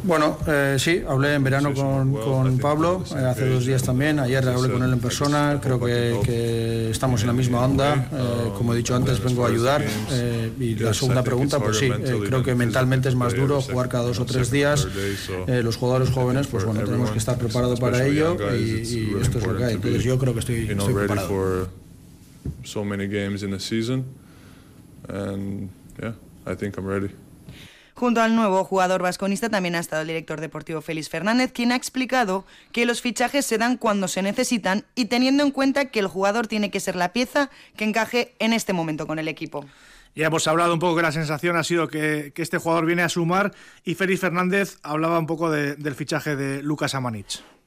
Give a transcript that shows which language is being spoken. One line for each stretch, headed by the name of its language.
Spanish: Bueno, sí, hablé en verano con Pablo, hace dos días también. Ayer hablé con él en persona. Creo que estamos en la misma onda. Como he dicho antes, vengo a ayudar. Y la segunda pregunta, pues sí, creo que mentalmente es más duro jugar cada dos o tres días. Los jugadores jóvenes, pues bueno, tenemos que estar preparados para ello y esto es lo que hay. Entonces yo creo que estoy preparado.
English: So many games in a season, and yeah, I think I'm ready.
Spanish: Junto al nuevo jugador vasconista también ha estado el director deportivo Félix Fernández, quien ha explicado que los fichajes se dan cuando se necesitan y teniendo en cuenta que el jugador tiene que ser la pieza que encaje en este momento con el equipo. Ya hemos hablado un poco que la sensación ha sido que este jugador viene a sumar, y Félix Fernández hablaba un poco del fichaje de Luka Samanić.